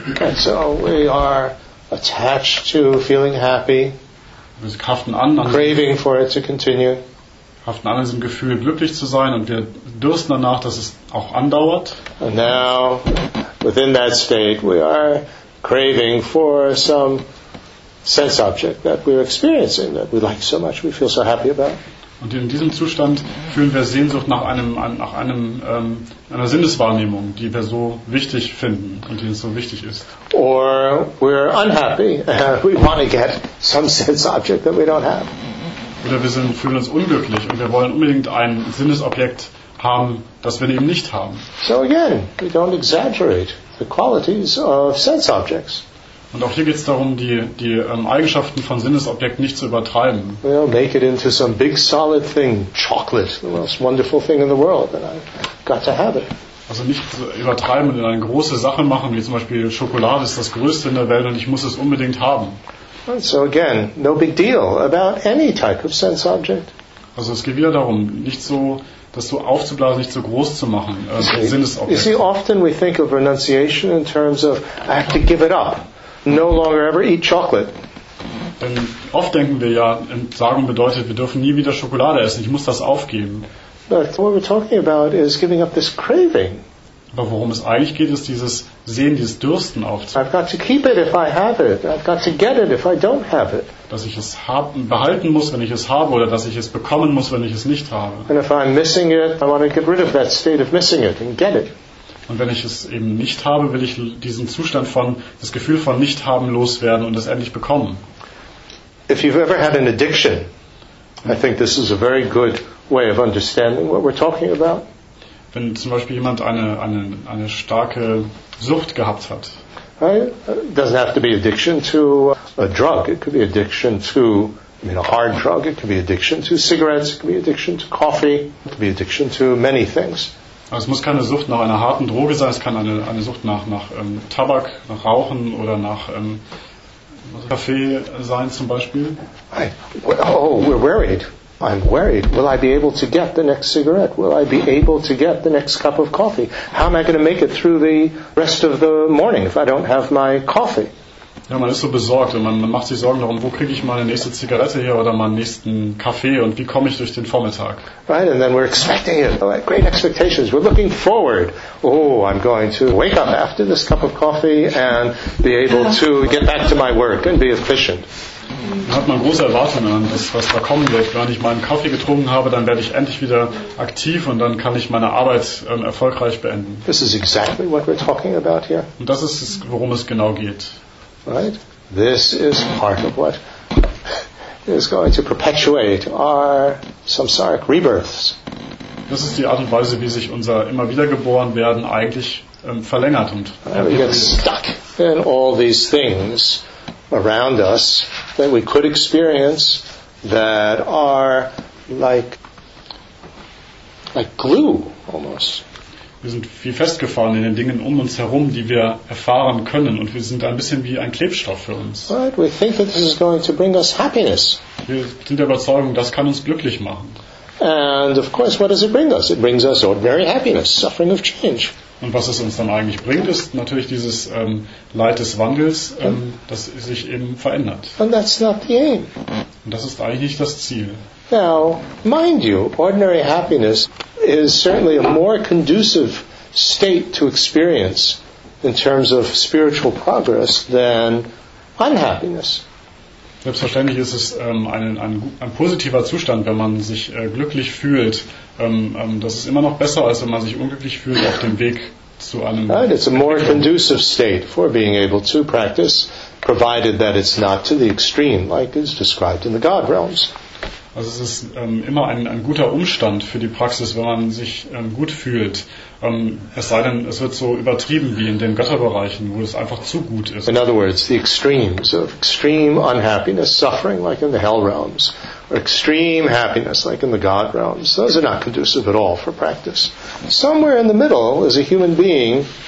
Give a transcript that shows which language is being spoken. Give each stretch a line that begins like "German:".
English: Okay, so we are attached to feeling happy.
German: Wir haften an,
English: craving for it to continue.
German: Haften an diesem Gefühl, glücklich zu sein, und wir dürsten danach, dass es auch andauert.
English: And now, within that state, we are craving for some sense object that we're experiencing, that we like so much, we feel so happy about.
German: Und in diesem Zustand fühlen wir Sehnsucht nach einer Sinneswahrnehmung, die wir so wichtig finden und die uns so wichtig ist.
English: Or we're unhappy. We want to get some sense object that we don't have.
German: Oder wir fühlen uns unglücklich und wir wollen unbedingt ein Sinnesobjekt haben, das wir eben nicht haben.
English: So again, we don't exaggerate the qualities of sense objects.
German: Und auch hier geht es darum, die Eigenschaften von Sinnesobjekten nicht zu übertreiben.
English: Well, make it into some big solid thing, chocolate, the most wonderful thing in the world, and I've got to have it.
German: Also nicht übertreiben und in eine große Sache machen, wie zum Beispiel Schokolade ist das Größte in der Welt und ich muss es unbedingt haben.
English: So again, no big deal about any type of sense object.
German: Also es geht wieder darum, nicht so, das so aufzublasen, nicht so groß zu machen, Sinnesobjekte.
English: You see, often we think of renunciation in terms of I have to give it up. No longer ever eat chocolate.
German: Denn oft denken wir ja, Entsagung bedeutet, wir dürfen nie wieder Schokolade essen. Ich muss das aufgeben.
English: But what we're talking about is giving up this craving.
German: Aber worum es eigentlich geht, ist dieses Sehen, dieses Dürsten aufzugeben.
English: I've got to keep it if I have it. I've got to get it if I don't have it.
German: Dass ich es behalten muss, wenn ich es habe, oder dass ich es bekommen muss, wenn ich es nicht habe.
English: And if I'm missing it, I want to get rid of that state of missing it and get it.
German: Und wenn ich es eben nicht habe, will ich diesen Zustand von, das Gefühl von Nichthaben loswerden und es endlich bekommen.
English: If you've ever had an addiction, I think this is a very good way of understanding what we're talking about.
German: Wenn zum Beispiel jemand eine starke Sucht gehabt hat.
English: It doesn't have to be addiction to a drug. It could be addiction to a hard drug. It could be addiction to cigarettes. It could be addiction to coffee. It could be addiction to many things.
German: Also es muss keine Sucht nach einer harten Droge sein, es kann eine Sucht nach Tabak, nach Rauchen oder nach Kaffee sein zum Beispiel.
English: We're worried. I'm worried. Will I be able to get the next cigarette? Will I be able to get the next cup of coffee? How am I going to make it through the rest of the morning if I don't have my coffee?
German: Ja, man ist so besorgt und man macht sich Sorgen darum, wo kriege ich meine nächste Zigarette her oder meinen nächsten Kaffee und wie komme ich durch den Vormittag?
English: Right, and then we're expecting it. Like great expectations. We're looking forward. Oh, I'm going to wake up after this cup of coffee and be able to get back to my work and be efficient.
German: Dann hat man große Erwartungen an das, was da kommen wird. Wenn ich meinen Kaffee getrunken habe, dann werde ich endlich wieder aktiv und dann kann ich meine Arbeit erfolgreich beenden.
English: This is exactly what we're talking about here.
German: Und das ist es, worum es genau geht.
English: Right? This is part of what is going to perpetuate our samsaric rebirths.
German: Das ist die Art und Weise, wie sich unser immer wiedergeboren werden eigentlich verlängert und
English: we get stuck in all these things around us that we could experience that are like glue almost.
German: Wir sind wie festgefahren in den Dingen um uns herum, die wir erfahren können. Und wir sind ein bisschen wie ein Klebstoff für uns.
English: Right, we think that this is going to bring us happiness.
German: Wir sind der Überzeugung, das kann uns glücklich machen.
English: And of course, what does it bring us? It brings us ordinary happiness, suffering of change.
German: Und was es uns dann eigentlich bringt, ist natürlich dieses Leid des Wandels, das sich eben verändert.
English: And that's not the aim.
German: Und das ist eigentlich nicht das Ziel.
English: Now, mind you, ordinary happiness is certainly a more conducive state to experience in terms of spiritual progress than unhappiness.
German: Selbstverständlich ist es ein positiver Zustand, wenn man sich glücklich fühlt. Das ist immer noch besser, als wenn man sich unglücklich fühlt auf dem Weg zu einem.
English: Right, it's a more conducive state for being able to practice, provided that it's not to the extreme, like is described in the God realms.
German: Also es ist immer ein guter Umstand für die Praxis, wenn man sich gut fühlt. Es sei denn, es wird so übertrieben wie in den Götterbereichen, wo es einfach zu gut ist.
English: In other words, the extremes of extreme unhappiness, suffering like in the hell realms, or extreme happiness like in the God realms, those are not conducive at all for practice. Somewhere in the middle is a human being